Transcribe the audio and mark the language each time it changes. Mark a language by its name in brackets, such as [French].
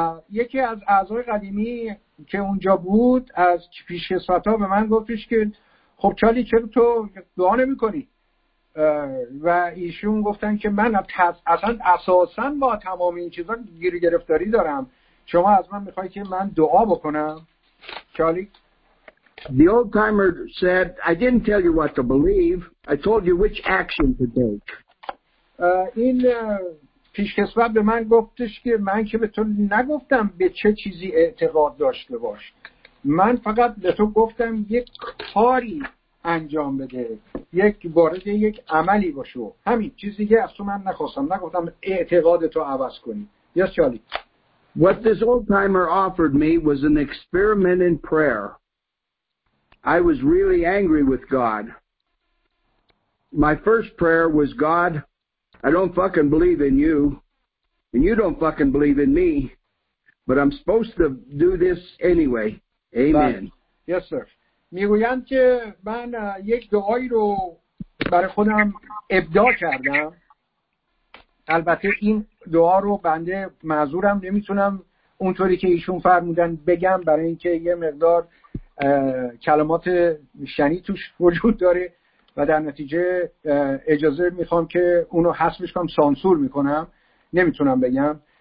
[Persian] یکی از اعضای قدیمی که اونجا بود از پیش ساتا به من گفتش که خب چالی چرا تو دعا نمی کنی؟ و ایشون گفتن که من اصلا با تمام این چیزا گیری گرفتاری دارم، شما از من میخوای که من دعا بکنم؟ چالی؟ [English] The old timer said, I didn't tell you what to believe. I told you which action to take. [Persian] این پیشکسوت به من گفتش که من که به تو نگفتم به چه چیزی اعتقاد داشته باش. من فقط به تو گفتم یک کاری انجام بده. یک بارده یک عملی باشو. همین چیزی که از تو من نخواستم. نگفتم اعتقاد تو عوض کنی. [English] Yes, Charlie. What this old timer offered me was an experiment in prayer. I was really angry with God. My first prayer was, God, I don't fucking believe in you, and you don't fucking believe in me, but I'm supposed to do this anyway. Amen. Yes, sir. [Persian] میگویند که من یک دعایی رو برای خودم ابداع کردم. البته این دعا رو بنده معذورم، نمیتونم اونطوری که ایشون فرمودن بگم، برای اینکه یه مقدار کلمات شنی توش وجود داره و در نتیجه اجازه میخوام که اونو حسبش کنم، سانسور میکنم، نمیتونم بگم.